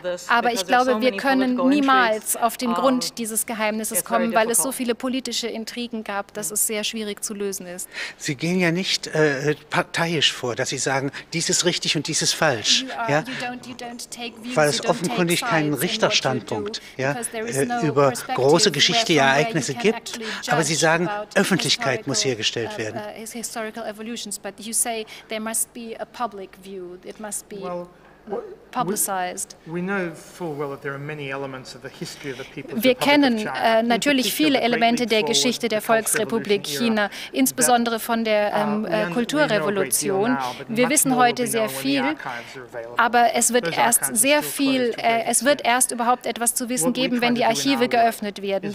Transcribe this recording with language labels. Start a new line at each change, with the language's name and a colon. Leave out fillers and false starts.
German: Aber ich glaube, wir können niemals auf den Grund dieses Geheimnisses kommen, weil es so viele politische Intrigen gab, dass es sehr schwierig zu lösen ist. Sie gehen ja nicht parteiisch vor, dass Sie sagen, dies ist richtig und dies ist falsch. Ja? Weil es offenkundig keinen Richterstandpunkt über große geschichtliche Ereignisse gibt. Aber Sie sagen, Öffentlichkeit muss hergestellt werden.
English: Historical evolutions, but you say there must be a public view. It must be publicized. We know full well that there are many elements of the history of the People's Republic.
German: Wir kennen natürlich viele Elemente der Geschichte der Volksrepublik China, insbesondere von der Kulturrevolution. Wir wissen heute sehr viel, aber es wird erst überhaupt etwas zu wissen geben, wenn die Archive geöffnet werden.